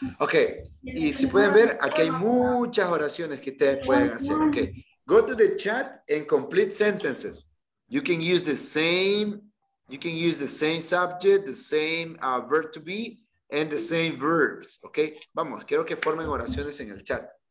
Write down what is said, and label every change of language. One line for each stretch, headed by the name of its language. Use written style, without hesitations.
Spanish: Ok, y si pueden ver, aquí hay muchas oraciones que ustedes pueden hacer.
English: Ok, go to the chat and complete sentences. You can use the same, you can use the same subject, the same verb to be, and the same verbs.
Spanish: Ok, vamos, quiero que formen oraciones en el chat.